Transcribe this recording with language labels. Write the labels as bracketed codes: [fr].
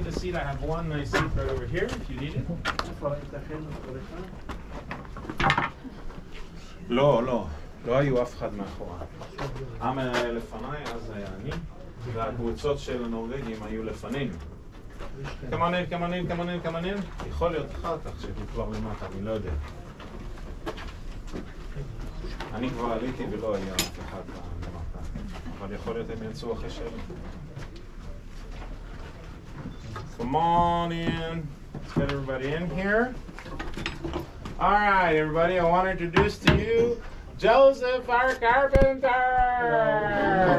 [en] I have one nice seat right over here if you need it. [he] לא היו אף אחד מאחורה. עם היה לפניי, אז היה אני, והקבוצות של הנורגים היו לפנים. כמונן. יכול להיות אחר כך שאתם כבר למטה, אני לא יודע. אני כבר עליתי ולא היה אף אחד למטה. אבל יכול להיות הם יצאו אחרי שאלה. [en] Come on in. Let's get everybody in here. All right, everybody, I want to introduce to you Joseph, our carpenter.